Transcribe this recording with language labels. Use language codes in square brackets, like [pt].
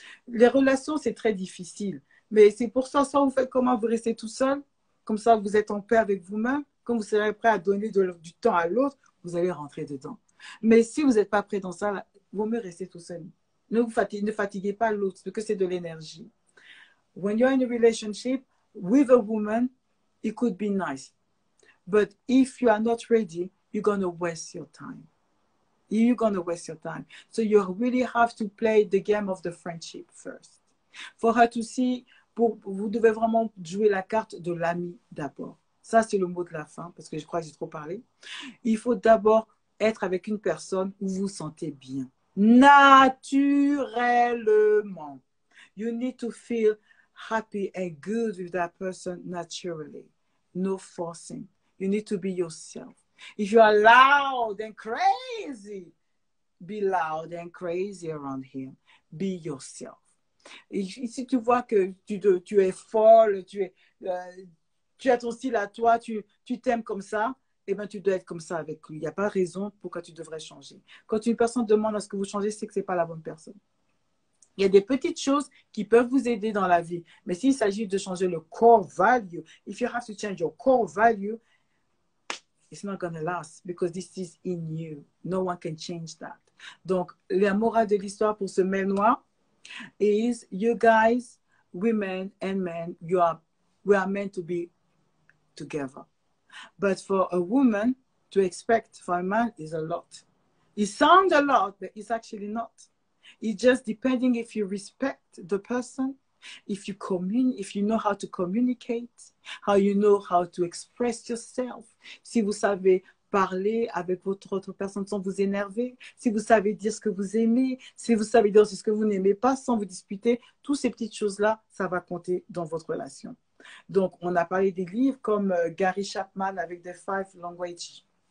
[fr] Les relations, c'est très difficile. Mais c'est pour ça, soit vous faites comment, vous restez tout seul, comme ça vous êtes en paix avec vous-même, quand vous serez prêt à donner du temps à l'autre, vous allez rentrer dedans. Mais si vous n'êtes pas prêt dans ça, là, vaut mieux rester tout seul. Ne fatiguez pas l'autre, parce que c'est de l'énergie. [en] When you're in a relationship with a woman, it could be nice. But if you are not ready, you're going to waste your time. You're going to waste your time. So you really have to play the game of the friendship first. For her to see, [fr] vous devez vraiment jouer la carte de l'ami d'abord. Ça, c'est le mot de la fin, parce que je crois que j'ai trop parlé. Il faut d'abord être avec une personne où vous vous sentez bien. Naturellement. [en] You need to feel happy and good with that person naturally. No forcing. You need to be yourself. If you are loud and crazy, be loud and crazy around him. Be yourself. [fr] Et si tu vois que tu es folle, tu as ton style à toi, tu t'aimes comme ça, eh bien, tu dois être comme ça avec lui. Il n'y a pas raison pourquoi tu devrais changer. Quand une personne demande à ce que vous changez, c'est que ce n'est pas la bonne personne. Il y a des petites choses qui peuvent vous aider dans la vie. Mais s'il s'agit de changer le core value, [en] if you have to change your core value, it's not going to last because this is in you. No one can change that. [fr] Donc, la morale de l'histoire pour ce mail noir [en] is you guys, women and men, we are meant to be together. But for a woman to expect for a man is a lot. It sounds a lot, but it's actually not. It's just depending if you respect the person, if you know how to communicate, how you know how to express yourself. [fr] Si vous savez parler avec votre autre personne sans vous énerver, si vous savez dire ce que vous aimez, si vous savez dire ce que vous n'aimez pas sans vous disputer, toutes ces petites choses-là, ça va compter dans votre relation. Donc, on a parlé des livres comme Gary Chapman avec The Five Love Language.